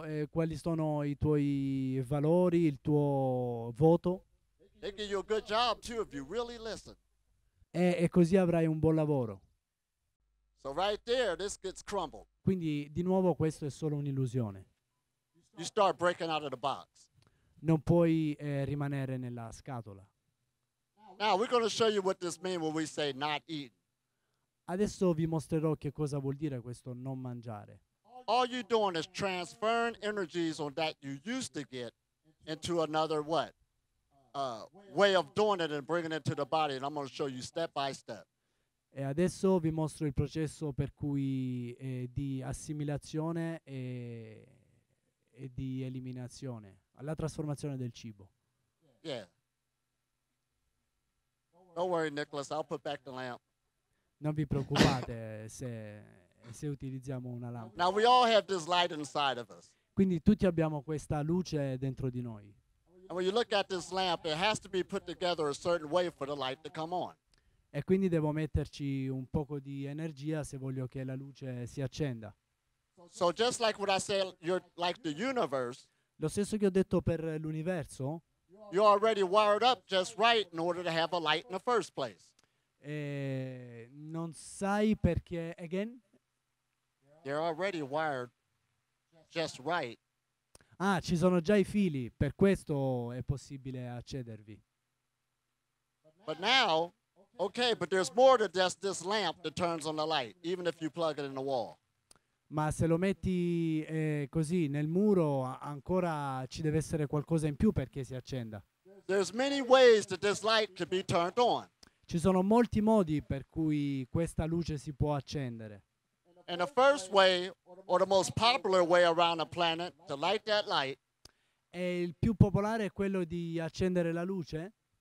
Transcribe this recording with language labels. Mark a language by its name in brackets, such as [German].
[Italian] Quali sono i tuoi valori, il tuo voto. [English] They give you a good job too if you really listen. [Italian] E così avrai un buon lavoro. [English] So right there, this gets crumbled. [Italian] Quindi di nuovo questo è solo un'illusione. [English] You start breaking out of the box. [Italian] Non puoi rimanere nella scatola. [English] Now we're going to show you what this means when we say not eat. [Italian] Adesso vi mostrerò che cosa vuol dire questo non mangiare. [English] All you're doing is transferring energies on that you used to get into another what? Way of doing it and bringing it to the body. And I'm going to show you step by step. [Italian] E adesso vi mostro il processo per cui di assimilazione e di eliminazione alla trasformazione del cibo. [English] Yeah. Don't worry, Nicholas, I'll put back the lamp. [Italian] Non vi preoccupate se utilizziamo una lampada. [English] Now we all have this light inside of us. [Italian] Quindi tutti abbiamo questa luce dentro di noi. [English] And when you look at this lamp, it has to be put together a certain way for the light to come on. [Italian] E quindi devo metterci un poco di energia se voglio che la luce si accenda. [English] So just like what I said, you're like the universe. [Italian] Lo stesso che ho detto per l'universo. [English] You're already wired up just right in order to have a light in the first place. [Italian] Non sai perché, [English] again? You're already wired just right. [Italian] Ah, ci sono già i fili, per questo è possibile accedervi. [English] But now, okay, but there's more to just this lamp that turns on the light, even if you plug it in the wall. [Italian] Ma se lo metti così nel muro, ancora ci deve essere qualcosa in più perché si accenda. [English] There's many ways that this light can be turned on. [Italian] Ci sono molti modi per cui questa luce si può accendere. [English] And the first way, or the most popular way around the planet, to light that light. [Italian] E il più popolare è quello di accendere la luce.